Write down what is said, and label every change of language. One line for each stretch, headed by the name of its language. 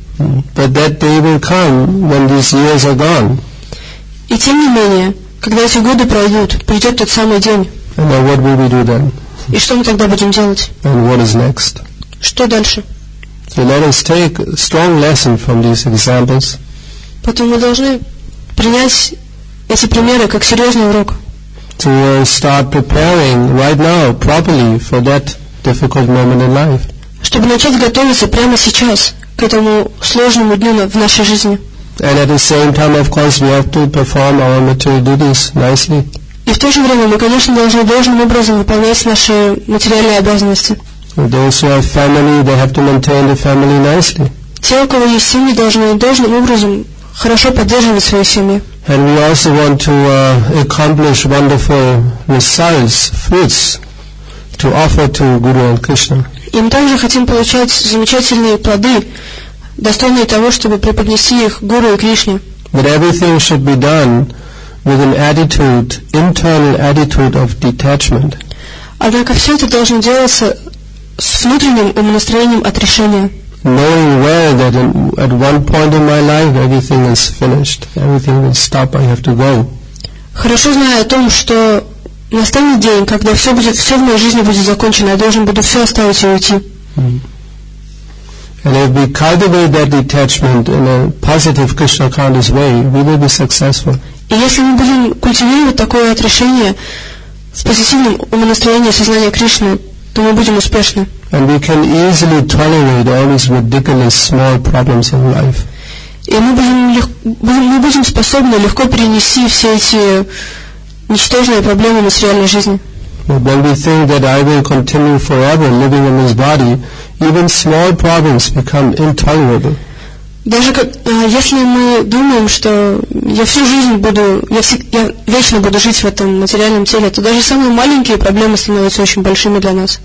English: But that day will come when these years are gone.
Russian: И тем не менее, когда эти годы пройдут, придет тот самый день.
English: And then what will we do then?
Russian: И что мы тогда будем делать?
English: And what is next?
Russian: Что дальше?
English: So let us take a strong lesson from these examples.
Russian: Потом мы должны принять эти примеры как серьезный урок.
English: To start preparing right now properly for that difficult moment in life.
Russian: Чтобы начать готовиться прямо сейчас к этому сложному дню в нашей жизни.
English: And at the same time, of course, we have to perform our material duties nicely.
Russian: И в то же время мы, конечно, должны должным образом выполнять наши материальные обязанности.
English: Those who have family, they have to maintain the family nicely.
Russian: Те, у кого есть семьи, должны должным образом хорошо поддерживать свои семьи.
English: And we also want to accomplish wonderful results, fruits, to offer to Guru and Krishna.
Russian: И мы также хотим получать замечательные плоды, достойные того, чтобы преподнести их Гуру и Кришне.
English: But everything should be done with an attitude, internal attitude of detachment.
Russian: Однако все это должно делаться с внутренним умонастроением отрешения.
English: Knowing well that at one point in my life everything is finished, everything will stop, I have to go.
Russian: Хорошо зная о том, что настанет день, когда все будет, все в моей жизни будет закончено, я должен буду все оставить и уйти.
English: And if we cultivate that detachment in a positive Krishna conscious way, we will be successful.
Russian: И если мы будем культивировать такое отрешение с позитивным умонастроением сознания Кришны, то мы будем успешны.
English: And we can easily tolerate all these ridiculous small problems in life.
Russian: И мы будем способны легко перенести все эти ничтожные проблемы в материальной жизни.
English: But when we think that I will continue forever living in this body, even small problems become intolerable.
Russian: Даже если мы думаем, что я всю жизнь буду, я вечно буду жить в этом материальном теле, то даже самые маленькие проблемы становятся очень большими для нас.